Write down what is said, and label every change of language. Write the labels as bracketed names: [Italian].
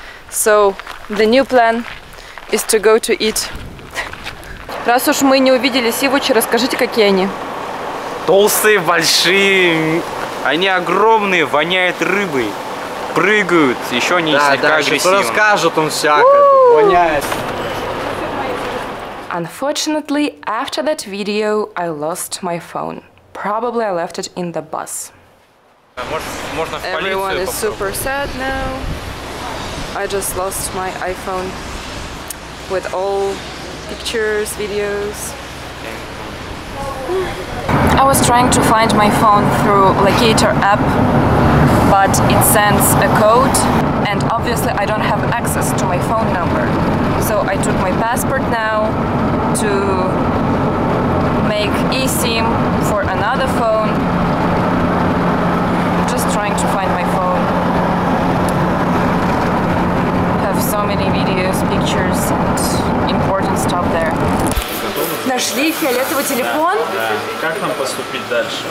[English] So the new plan is to go to eat. [Russian] Раз уж мы не увидели сивучи, расскажите, какие они. Толстые, большие, они огромные, воняют рыбой, прыгают, еще они да, слегка да, агрессивны. Да, да, еще расскажут он всяко, воняет. [English] Unfortunately, after that video, I lost my phone. Probably I left it in the bus. Everyone is super sad now. I just lost my iPhone with all pictures, videos. I was trying to find my phone through locator app, but it sends a code and obviously I don't have access to my phone number. So I took my passport now to make eSIM for another phone. Trying to find my phone. Have so many videos, pictures and important stuff there. [Russian] Нашли фиолетовый телефон? Да, да. Как нам поступить дальше?